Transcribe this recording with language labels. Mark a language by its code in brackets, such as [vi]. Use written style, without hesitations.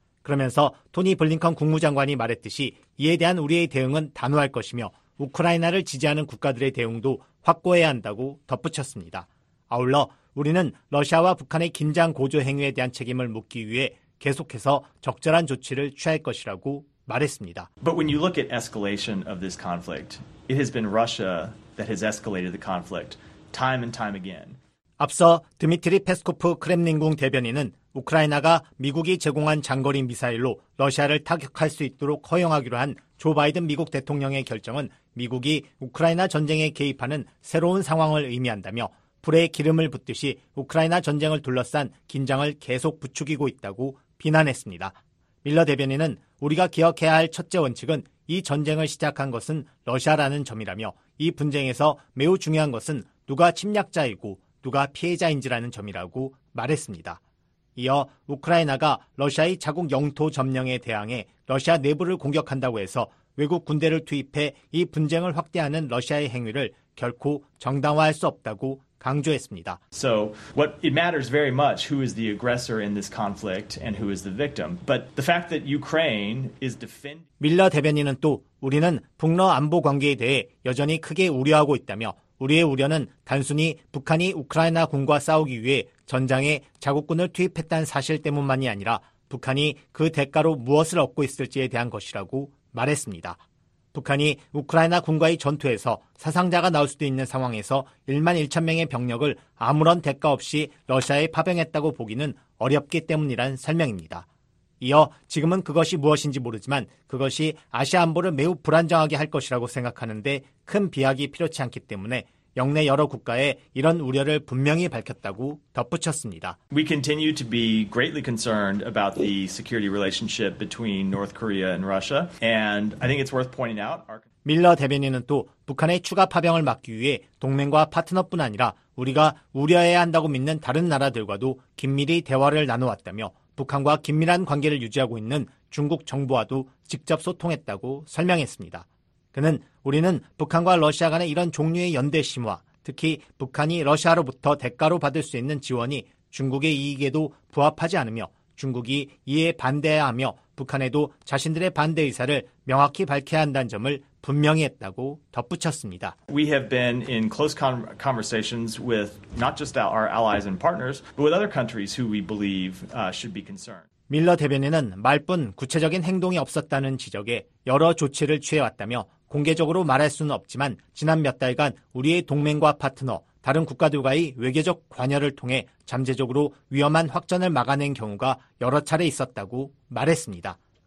[ko] 그러면서 토니 블링컨 국무장관이 말했듯이 이에 대한 우리의 대응은 단호할 것이며 우크라이나를 지지하는 국가들의 대응도 확고해야 한다고 덧붙였습니다. 아울러 우리는 러시아와 북한의 긴장 고조 행위에 대한 책임을 묻기 위해 계속해서 적절한 조치를 취할 것이라고 말했습니다. [en] But when you look at escalation of this conflict, it has been Russia that has escalated the conflict time and time again. [ko] 앞서 드미트리 페스코프 크렘린궁 대변인은 우크라이나가 미국이 제공한 장거리 미사일로 러시아를 타격할 수 있도록 허용하기로 한 조 바이든 미국 대통령의 결정은 미국이 우크라이나 전쟁에 개입하는 새로운 상황을 의미한다며 불에 기름을 붓듯이 우크라이나 전쟁을 둘러싼 긴장을 계속 부추기고 있다고 비난했습니다. 밀러 대변인은 우리가 기억해야 할 첫째 원칙은 이 전쟁을 시작한 것은 러시아라는 점이라며 이 분쟁에서 매우 중요한 것은 누가 침략자이고 누가 피해자인지라는 점이라고 말했습니다. 이어 우크라이나가 러시아의 자국 영토 점령에 대항해 러시아 내부를 공격한다고 해서 외국 군대를 투입해 이 분쟁을 확대하는 러시아의 행위를 결코 정당화할 수 없다고 강조했습니다. [en] So what it matters very much who is the aggressor in this conflict and who is the victim. But the fact that Ukraine is defending [ko] 밀러 대변인은 또 우리는 북러 안보 관계에 대해 여전히 크게 우려하고 있다며 우리의 우려는 단순히 북한이 우크라이나 군과 싸우기 위해 전장에 자국군을 투입했다는 사실 때문만이 아니라 북한이 그 대가로 무엇을 얻고 있을지에 대한 것이라고 말했습니다. 북한이 우크라이나 군과의 전투에서 사상자가 나올 수도 있는 상황에서 1만 1천 명의 병력을 아무런 대가 없이 러시아에 파병했다고 보기는 어렵기 때문이란 설명입니다. 이어 지금은 그것이 무엇인지 모르지만 그것이 아시아 안보를 매우 불안정하게 할 것이라고 생각하는데 큰 비약이 필요치 않기 때문에 영내 여러 국가에 이런 우려를 분명히 밝혔다고 덧붙였습니다. [en] We continue to be greatly concerned about the security relationship between North Korea and Russia. And I think it's worth pointing out. [ko] 밀러 대변인은 또 북한의 추가 파병을 막기 위해 동맹과 파트너뿐 아니라 우리가 우려해야 한다고 믿는 다른 나라들과도 긴밀히 대화를 나누었다며 북한과 긴밀한 관계를 유지하고 있는 중국 정부와도 직접 소통했다고 설명했습니다. 그는 우리는 북한과 러시아 간의 이런 종류의 연대 심화, 특히 북한이 러시아로부터 대가로 받을 수 있는 지원이 중국의 이익에도 부합하지 않으며 중국이 이에 반대해야 하며 북한에도 자신들의 반대 의사를 명확히 밝혀야 한다는 점을 분명히 했다고 덧붙였습니다. [en] We have been in close conversations with not just our allies and partners, but with other countries who we believe should be concerned. [ko] 밀러 대변인은 말뿐 구체적인 행동이 없었다는 지적에 여러 조치를 취해왔다며 공개적으로 말할 수는 없지만 지난 몇 달간 우리의 동맹과 파트너, 다른 국가들과의 외교적 관여를 통해 잠재적으로 위험한 확전을 막아낸 경우가 여러 차례 있었다고 말했습니다.